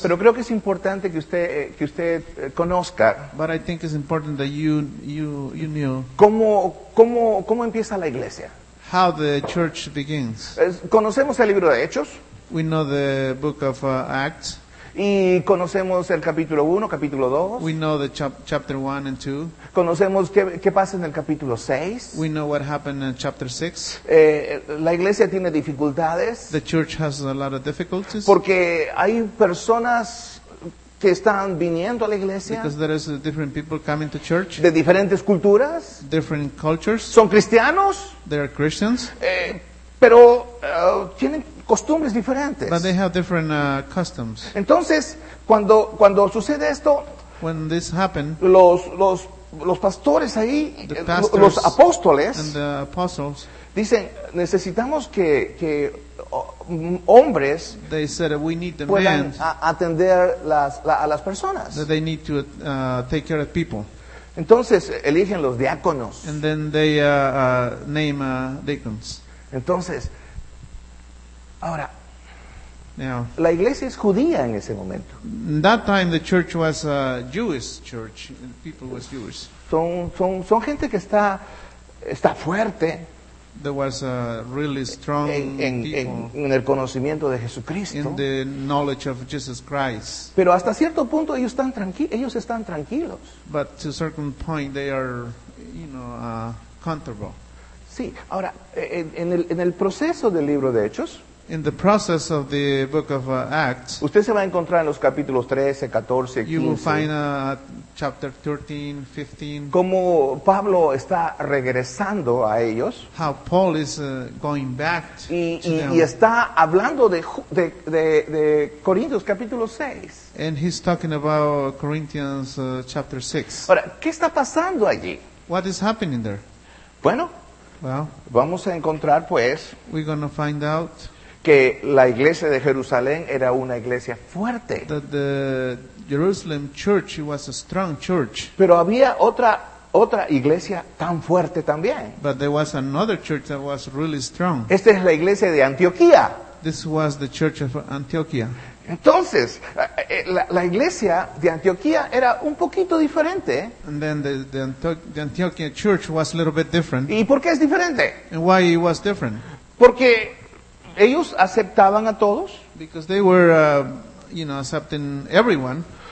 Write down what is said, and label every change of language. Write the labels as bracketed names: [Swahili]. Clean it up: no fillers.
[Spanish] Pero creo que es importante que usted conozca. [English] But I think it's important that you knew. [Spanish] ¿Cómo empieza la iglesia? [English] How the church begins. [Spanish] Conocemos el libro de Hechos. [English] We know the book of Acts. [Spanish] Y conocemos el capítulo 1, capítulo 2. [English] We know the chapter 1 and 2. [Spanish] Conocemos qué pasa en el capítulo 6. [English] We know what happened in chapter 6. [Spanish] La iglesia tiene dificultades. [English] The church has a lot of difficulties. [Spanish] Porque hay personas que están viniendo a la iglesia. [English] Because there is different people coming to church. [Spanish] De diferentes culturas. [English] Different cultures. [Spanish] Son cristianos. [English] They are Christians. [Spanish] Pero tienen costumbres diferentes. [English] But they have different customs. [Spanish] Entonces, cuando sucede esto, [English] when this happened, [Spanish] los pastores ahí, los apóstoles, [English] and the apostles, [Spanish] dicen, necesitamos que hombres, [English] they said we need the [Spanish] puedan atender a las personas. [English] That they need to take care of people. [Spanish] Entonces eligen los diáconos. [English] And then they name deacons. [Spanish] Entonces, ahora, [English] now, [Spanish] la iglesia es judía en ese momento. [English] That time the church was a Jewish church. The people was Jewish. [Spanish] Son gente que está fuerte. [English] There was a really strong [Spanish] en el conocimiento de Jesucristo. [English] In the knowledge of Jesus Christ. [Spanish] Pero hasta cierto punto ellos están tranquilos. [English] But to a certain point they are, you know, comfortable. [Spanish] Sí. Ahora, en el proceso del libro de Hechos. [English] In the process of the book of Acts. [Spanish] Usted se va a encontrar en los capítulos 13, 14, 15. [English] You will find chapter 13, 15. [Spanish] Cómo Pablo está regresando a ellos. [English] How Paul is going back to them. [Spanish] Y está hablando de Corintios capítulo 6. [English] And he's talking about Corinthians chapter 6. [Spanish] Ahora, ¿qué está pasando allí? [English] What is happening there? [Spanish] Bueno, [English] well, [Spanish] vamos a encontrar pues. [English] We're going to find out. [Spanish] Que la iglesia de Jerusalén era una iglesia fuerte. [English] That the Jerusalem church was a strong church. [Spanish] Pero había otra iglesia tan fuerte también. [English] But there was another church that was really strong. [Spanish] Esta es la iglesia de Antioquía. [English] This was the church of Antioquia. [Spanish] Entonces, la iglesia de Antioquía era un poquito diferente. [English] And then the Antioquia church was a little bit different. [Spanish] ¿Y por qué es diferente? [English] And why it was different? [Spanish] Porque ellos aceptaban a todos. [English] Because they were, you know, accepting everyone.